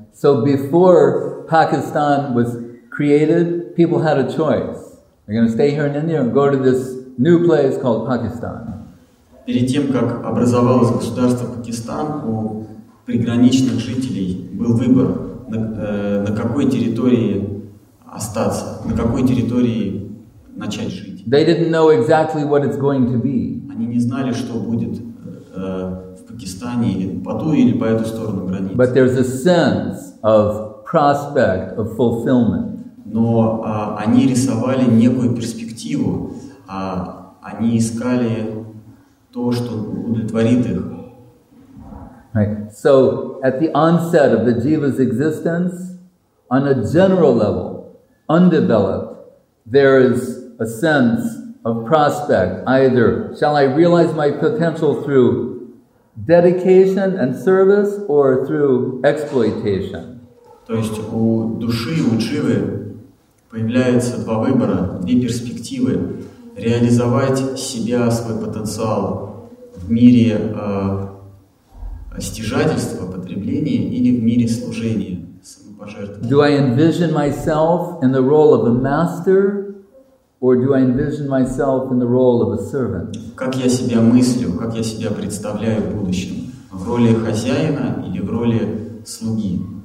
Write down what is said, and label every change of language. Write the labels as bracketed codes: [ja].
[en] So before Pakistan was created, people had a choice. They're going to stay here in India or go to this new place called Pakistan. [ru] Перед тем, как образовалось государство Пакистан, у приграничных жителей был выбор, на какой территории остаться, на какой территории начать жить. [en] They didn't know exactly what it's going to be. [ru] Они не знали, что будет в Пакистане, или по ту, или по эту сторону границы. [en] But there's a sense of prospect, of fulfillment. [ru] Но они рисовали некую перспективу, они искали то, что удовлетворит их. [en] Right. So, at the onset of the jiva's existence, on a general level, undeveloped, there is a sense of prospect. Either shall I realize my potential through dedication and service, or through exploitation? [ru] То есть у души, у дживы появляются два выбора, две перспективы. Реализовать себя, свой потенциал в мире стяжательства, потребления или в мире служения, самопожертвования. [en] Do I envision myself in the role of a master, or do I envision myself in the role of a servant? [ru] Как я себя мыслю, как я себя представляю в будущем? В роли хозяина или в роли слуги?